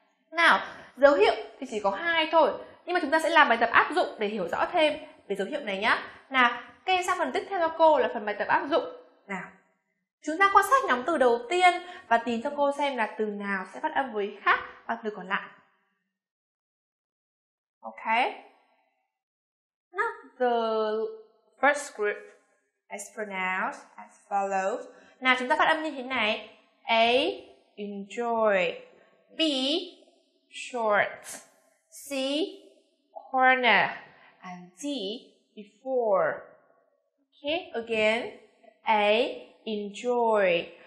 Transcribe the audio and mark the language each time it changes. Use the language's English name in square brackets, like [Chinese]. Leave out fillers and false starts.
[Vietnamese] Nào, dấu hiệu thì chỉ có hai thôi, nhưng mà chúng ta sẽ làm bài tập áp dụng để hiểu rõ thêm về dấu hiệu này nhá. Nào, các em sang phần tiếp theo cho cô là phần bài tập áp dụng. Nào, chúng ta quan sát nhóm từ đầu tiên và tìm cho cô xem là từ nào sẽ phát âm với khác bằng từ còn lại. [English] Ok. Now, the first group is pronounced as follows. [Vietnamese] Nào, chúng ta phát âm như thế này. [English] A, enjoy. B, short. C, corner. And D, before. Ok, again. A, enjoy.